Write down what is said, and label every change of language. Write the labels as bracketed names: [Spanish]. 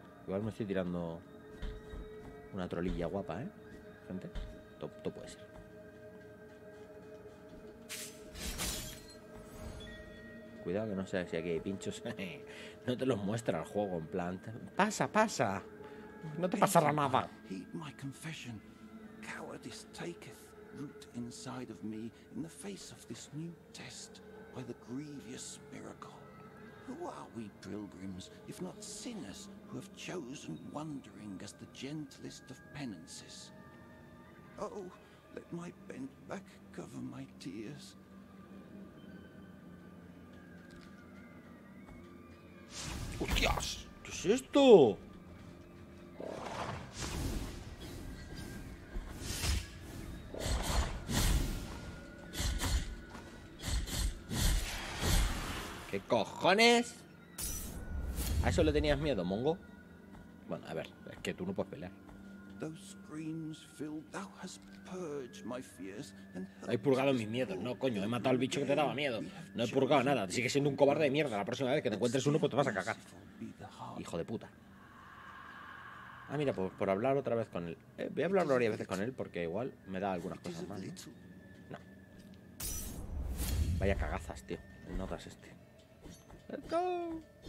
[Spanish] Igual me estoy tirando una trolilla guapa, ¿eh? Gente, todo puede ser. Cuidado que no sea si aquí hay pinchos. No te los muestra el juego, en plan. Pasa, pasa. No te pasará nada. [English] Heed my confession. Cowardice taketh root inside of me in the face of this new test by the grievous miracle. Who are we pilgrims, if not sinners, who have chosen wandering as the gentlest of penances? Oh, let my bent back cover my tears. [Spanish] ¡Hostias! ¿Qué es esto? ¿Qué cojones? ¿A eso le tenías miedo, Mongo? Bueno, a ver, es que tú no puedes pelear. [English] Those screams, Phil, thou has purged my fears and helped. [Spanish] He purgado mis miedos. No, coño, he matado al bicho que te daba miedo. No he purgado nada. Sigue siendo un cobarde de mierda. La próxima vez que te encuentres uno, pues te vas a cagar. Hijo de puta. Ah, mira, por hablar otra vez con él. Voy a hablar varias veces con él porque igual me da algunas cosas mal. No. Vaya cagazas, tío. No das este. [English] Let's go.